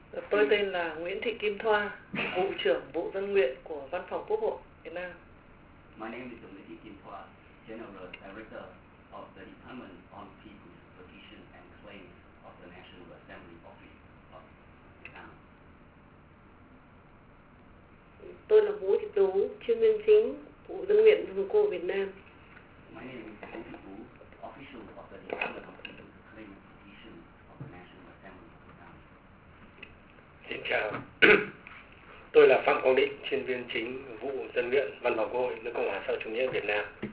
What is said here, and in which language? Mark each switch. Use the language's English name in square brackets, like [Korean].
[Vietnamese] Tôi tên là Nguyễn Thị Kim Thoa, Vụ trưởng Vụ Dân Nguyện của Văn phòng Quốc hội Việt Nam. [English] My name is Nguyễn Thị Kim Thoa, General Director of the Department on People's Petition and Claims of the National Assembly Office of Vietnam. [Vietnamese] Tôi là Vũ Thị Tú, chuyên viên chính Vụ Dân Nguyện Vương quốc Việt Nam. [English] My name is Vũ Thị Tú, Official of the Department on People's Claims and Petition of the National Assembly of Vietnam. [Vietnamese] Xin chào, tôi là Phạm Quang Định, chuyên viên chính vụ dân nguyện văn phòng quốc hội nước Cộng hòa Xã hội Chủ nghĩa Việt Nam.